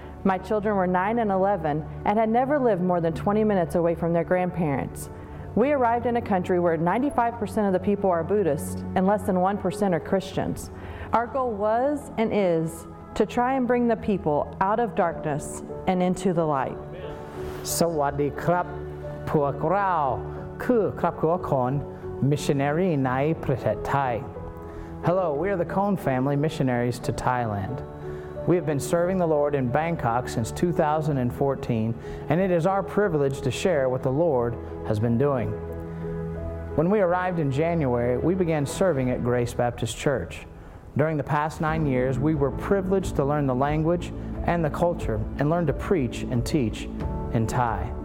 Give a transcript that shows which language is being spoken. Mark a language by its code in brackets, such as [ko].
[en] My children were 9 and 11 and had never lived more than 20 minutes away from their grandparents. We arrived in a country where 95% of the people are Buddhist and less than 1% are Christians. Our goal was and is to try and bring the people out of darkness and into the light. [th] สวัสดีครับพวกเราคือครอบครัวคอน missionary ในประเทศไทย [en] Hello, we are the Cohn family missionaries to Thailand. We have been serving the Lord in Bangkok since 2014, and it is our privilege to share what the Lord has been doing. When we arrived in January, we began serving at Grace Baptist Church. During the past 9 years, we were privileged to learn the language and the culture and learn to preach and teach in Thai.